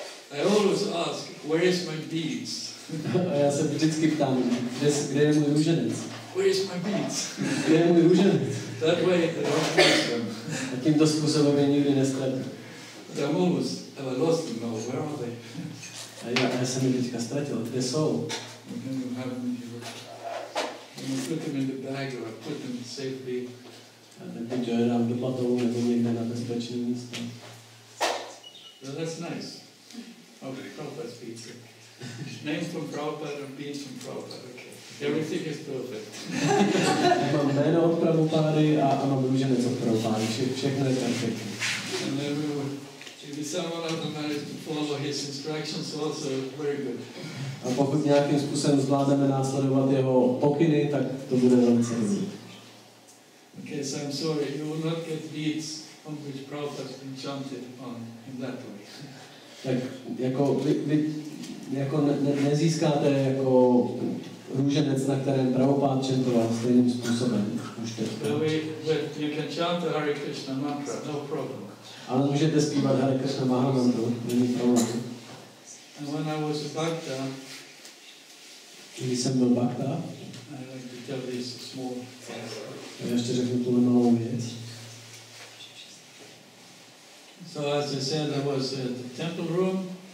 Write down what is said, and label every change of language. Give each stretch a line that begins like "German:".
English: I always ask, where is my beads?
Czech: A já se vždycky ptám, kde je můj růženec?
English: Where is my beads?
Czech: Kde je můj růženec?
English: That way, I don't lose them.
Czech: A tímto způsobem je nikdy nestratil.
English: But I'm almost, have I lost them now? Where are they?
Czech: A já jsem je teďka ztratil. Kde jsou?
English: You have them here. You put them in the bag or I put them safely.
Czech: A teď jo, je dám do patovu nebo někde na bezpečné místo.
English: Well, that's nice. Okay, Prabhupada's beads. Name from Prabhupada and beads from Prabhupada. Okay. Everything is perfect.
Czech: Mám jméno od Prabhupády a ano, růženec od Prabhupády. Všechno je perfektní.
English: And everyone, if someone has managed to follow his instructions also, very good.
Czech: A pokud nějakým způsobem zvládneme následovat jeho pokyny, tak to bude velice dobré.
English: Okay, so I'm sorry, you will not get beads on which Prabhupada's been chanted on in that way.
Czech: Tak jako vy jako nezískáte jako růženec, na kterém Prabhupád čentoval stejným způsobem. Už teď.
English: You can chant the Hare Krishna mantra, no problem.
Czech: Ale můžete zpívat Hare Krishna mahamantru, není problém.
English: And when I was a bhakta,
Czech: když jsem byl bhakta,
English: I like to tell this small thing.
Czech: Já ještě řeknu tuhle malou věc.
English: So as I said, I was at the temple room.